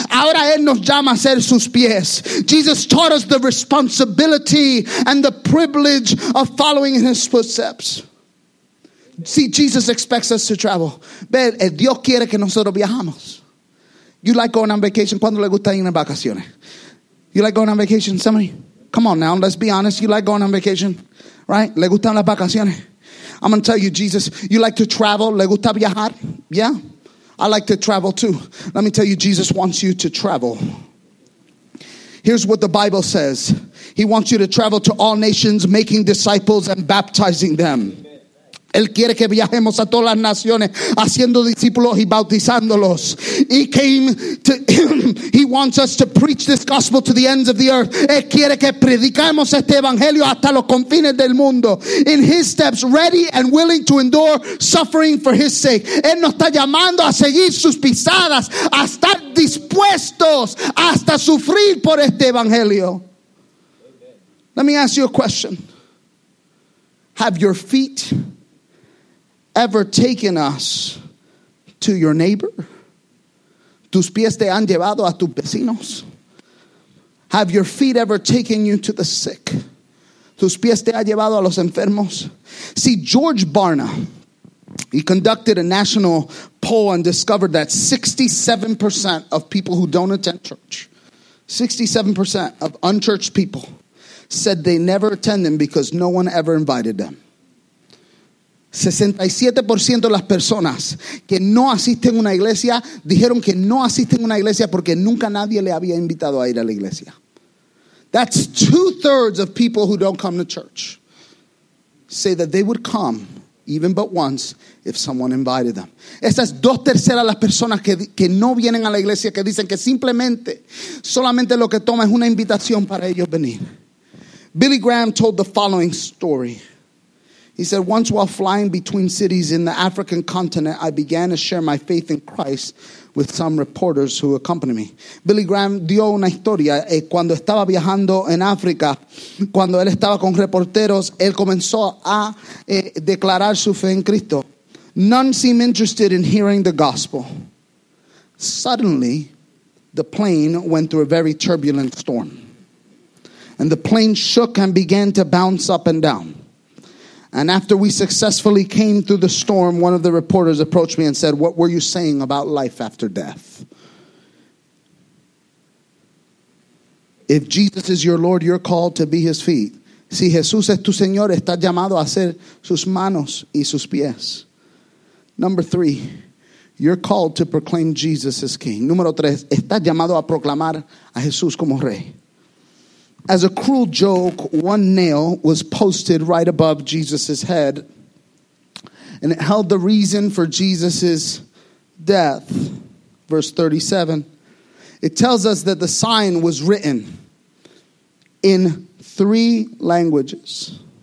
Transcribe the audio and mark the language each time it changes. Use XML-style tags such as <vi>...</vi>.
<es>Ahora él nos llama a ser sus pies.</es> <en>Jesus taught us the responsibility and the privilege of following in his footsteps. See, Jesus expects us to travel.</en> <es>Ve, el Dios quiere que nosotros viajamos.</es> <en>You like going on vacation?</en> <es>¿Cuándo le gusta ir en vacaciones?</es> <en>You like going on vacation? Somebody, come on now, let's be honest. You like going on vacation? Right?</en> <es>¿Le gustan las vacaciones?</es> <en>I'm going to tell you, Jesus, you like to travel?</en> <es>¿Le gusta viajar?</es> <en>Yeah? I like to travel too. Let me tell you, Jesus wants you to travel. Here's what the Bible says. He wants you to travel to all nations, making disciples and baptizing them.</en> <es>Él quiere que viajemos a todas las naciones, haciendo discípulos y bautizándolos.</es> <en>He wants us to preach this gospel to the ends of the earth.</en> <es>Él quiere que predicamos este evangelio hasta los confines del mundo.</es> <en>In his steps, ready and willing to endure suffering for his sake.</en> <es>Él nos está llamando a seguir sus pisadas, a estar dispuestos hasta sufrir por este evangelio.</es> <en>Let me ask you a question. Have your feet ever taken us to your neighbor?</en> <es>¿Tus pies te han llevado a tus vecinos?</es> <en>Have your feet ever taken you to the sick?</en> <es>¿Tus pies te han llevado a los enfermos?</es> <en>See, George Barna, he conducted a national poll and discovered that 67% of people who don't attend church, 67% of unchurched people said they never attend them because no one ever invited them.</en> <es>67% de las personas que no asisten a una iglesia dijeron que no asisten a una iglesia porque nunca nadie le había invitado a ir a la iglesia.</es> <en>That's 2/3 of people who don't come to church say that they would come even but once if someone invited them.</en> <es>Esas 2/3 de las personas que no vienen a la iglesia que dicen que simplemente solamente lo que toma es una invitación para ellos venir.</es> <en>Billy Graham told the following story. He said, once while flying between cities in the African continent, I began to share my faith in Christ with some reporters who accompanied me.</en> <es>Billy Graham dio una historia. Cuando estaba viajando en África, cuando él estaba con reporteros, él comenzó a declarar su fe en Cristo.</es> <en>None seemed interested in hearing the gospel. Suddenly, the plane went through a very turbulent storm. And the plane shook and began to bounce up and down. And after we successfully came through the storm, one of the reporters approached me and said, what were you saying about life after death? If Jesus is your Lord, you're called to be his feet.</en> <es>Si Jesús es tu Señor, estás llamado a ser sus manos y sus pies.</es> <en>Number three, you're called to proclaim Jesus as King.</en> <es>Número tres, estás llamado a proclamar a Jesús como Rey.</es> <en>As a cruel joke, one nail was posted right above Jesus' head, and it held the reason for Jesus' death. Verse 37, it tells us that the sign was written in three languages.</en>